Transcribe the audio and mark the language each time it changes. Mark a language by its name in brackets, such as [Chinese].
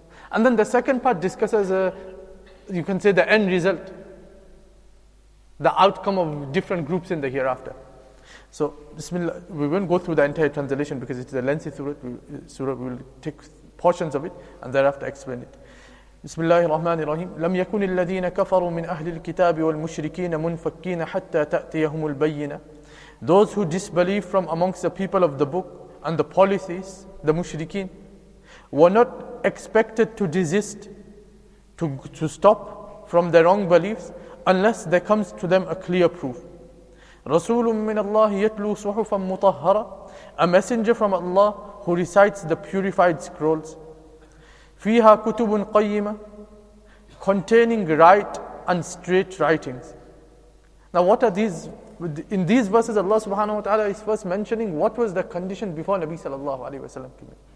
[English] And then the second part discusses, you can say, the end result, the outcome of different groups in the hereafter. So, bismillah, we won't go through the entire translation because it's a lengthy surah, we'll take portions of it and thereafter explain it. [Arabic] بسم الله الرحمن الرحيم لم يكن الذين كفروا من أهل الكتاب والمشركين منفكين حتى تأتيهم البينة. [English] Those who disbelieve from amongst the people of the book and the polytheists, the mushrikeen, were not expected to desist, to stop from their wrong beliefs unless there comes to them a clear proof. [Arabic] رسول من الله يتلو صحفا مطهرة. [English] A messenger from Allah who recites the purified scrolls. [Arabic] فيها كتب قيمة, [English] containing right and straight writings. Now what are these? In these verses Allah subhanahu wa ta'ala is first mentioning what was the condition before Nabi sallallahu alayhi wa sallam came.